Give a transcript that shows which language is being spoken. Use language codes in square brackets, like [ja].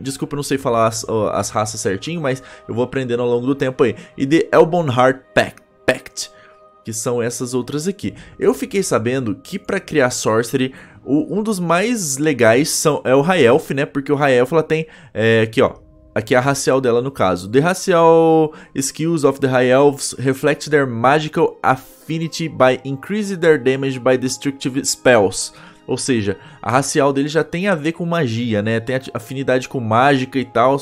[pt] Desculpa, eu não sei falar as raças certinho, mas eu vou aprendendo ao longo do tempo aí. E The Elbonheart Pact, que são essas outras aqui. Eu fiquei sabendo que pra criar Sorcery, um dos mais legais é o High Elf, né? Porque o High Elf, ela tem... aqui, ó. Aqui é a racial dela, no caso. [en] The racial skills of the High Elves reflect their magical affinity by increasing their damage by destructive spells. [pt] Ou seja, a racial dele já tem a ver com magia, né? Tem afinidade com mágica e tal.